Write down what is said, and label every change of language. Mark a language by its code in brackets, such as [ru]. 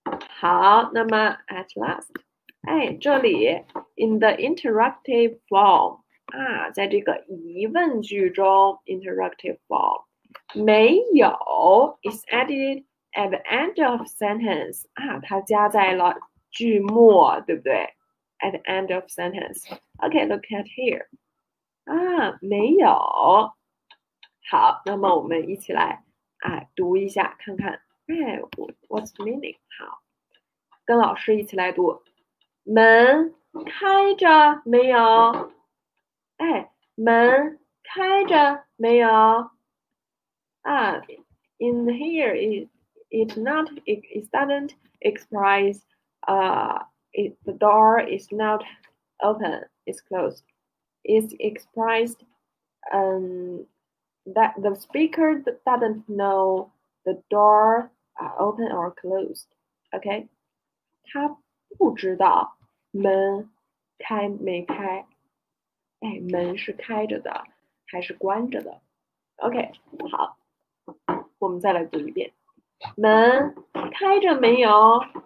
[en] 好，那么 at last，哎，这里 in the interrogative form 啊，在这个疑问句中， interrogative form 没有 is added at the end of sentence 啊，它加在了句末，对不对？ at the end of sentence，OK，look at here 啊，没有。 [zh] 好，那么我们一起来啊读一下，看看，哎， what's the meaning？好。跟老师一起来读，门开着没有？哎，门开着没有？ [en] 啊，in here it doesn't express the door is not open, it's closed. It's expressed that the speaker doesn't know the door are open or closed. Okay? [zh] 他不知道门开没开，哎，门是开着的还是关着的？OK，好，我们再来读一遍，门开着没有？